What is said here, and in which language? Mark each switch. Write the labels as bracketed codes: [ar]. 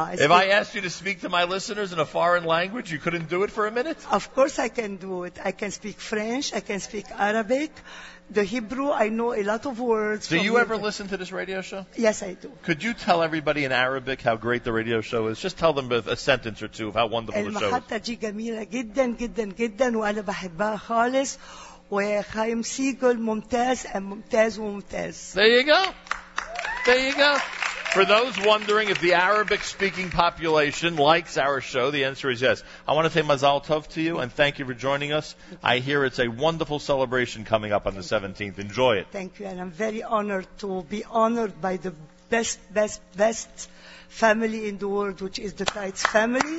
[en] I asked you to speak to my listeners in a foreign language, you couldn't do it for a minute? Of course I can do it. I can speak French. I can speak Arabic. The Hebrew, I know a lot of words. Do you ever listen to this radio show? Yes, I do. Could you tell everybody in Arabic how great the radio show is? Just tell them a sentence or two of how wonderful the show is. [ar] المحطة جميلة جدا جدا جدا وأنا بحبها خالص. وخيم سيجل ممتاز ممتاز ممتاز. [en] There you go. There you go. For those wondering if the Arabic-speaking population likes our show, the answer is yes. I want to say mazal tov to you, and thank you for joining us. I hear it's a wonderful celebration coming up on the 17th. Enjoy it. Thank you, and I'm very honored to be honored by the best, best, best family in the world, which is the Teitz family.